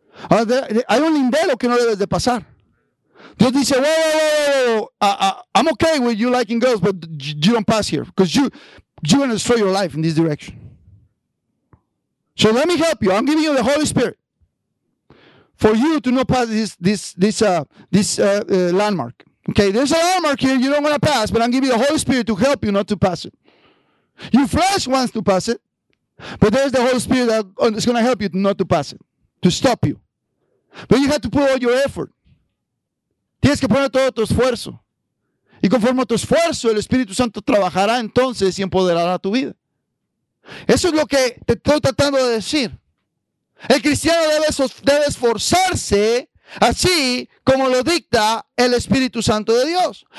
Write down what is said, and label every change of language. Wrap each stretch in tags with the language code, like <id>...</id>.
<es>Hay un lindero que no debes de pasar. Dios dice,</es> <en>whoa, I'm okay with you liking girls, but you don't pass here. Because you're going to destroy your life in this direction. So let me help you. I'm giving you the Holy Spirit. For you to not pass this landmark. Okay, there's a landmark here you don't want to pass, but I'm giving you the Holy Spirit to help you not to pass it. Your flesh wants to pass it, but there's the Holy Spirit that's going to help you not to pass it, to stop you. But you have to put all your effort.</en> <es>Tienes que poner todo tu esfuerzo. Y conforme a tu esfuerzo, el Espíritu Santo trabajará entonces y empoderará tu vida. Eso es lo que te estoy tratando de decir. El cristiano debe esforzarse así como lo dicta el Espíritu Santo de Dios.</es>